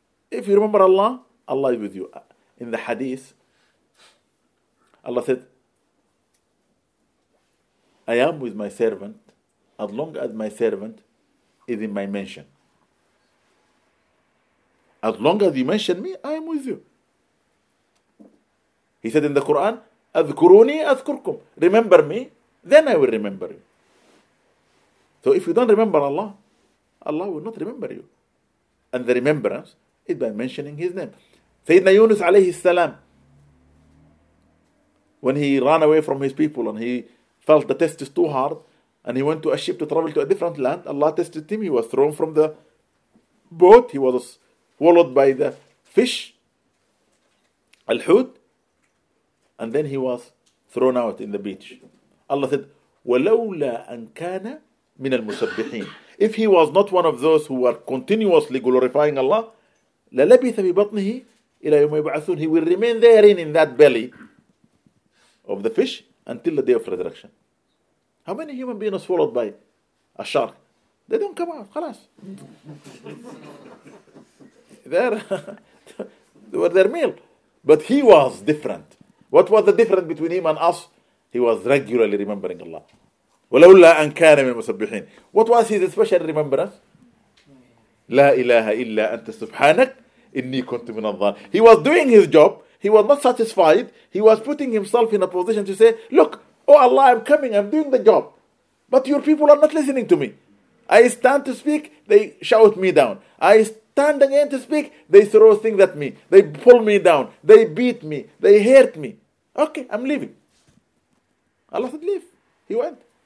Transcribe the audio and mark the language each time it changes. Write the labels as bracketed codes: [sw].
[en] If you remember Allah, Allah is with you. In the hadith, Allah said, I am with my servant as long as my servant is in my mansion. As long as you mention me, I am with you. He said in the Quran, [ar] أذكروني أذكركم. [en] Remember me, then I will remember you. So if you don't remember Allah, Allah will not remember you. And the remembrance is by mentioning his name. Sayyidina Yunus alayhi salam, when he ran away from his people and he felt the test is too hard, and he went to a ship to travel to a different land, Allah tested him. He was thrown from the boat. He was swallowed by the fish, Al-Hud. And then he was thrown out in the beach. Allah said, [ar] وَلَوْلَا أَنْ كَانَ مِنَ الْمُسَبِّحِينَ [en] If he was not one of those who were continuously glorifying Allah, [ar] لَلَبِثَ بِبَطْنِهِ إِلَى يَوْمَ يَبْعَثُونَ [en] He will remain therein in that belly of the fish until the day of resurrection. How many human beings are swallowed by a shark? They don't come out. خلاص. they were their meal. But he was different. What was the difference between him and us? He was regularly remembering Allah. [ar] ولولا أن كان من المسبحين. [en] What was his special remembrance? [ar] لا إله إلا أنت سبحانك إني كنت من الظالمين. [en] He was doing his job. He was not satisfied. He was putting himself in a position to say, look, oh Allah, I'm coming, I'm doing the job. But your people are not listening to me. I stand to speak, they shout me down. I stand again to speak, they throw things at me. They pull me down. They beat me. They hurt me. Okay, I'm leaving. Allah said, leave. He went.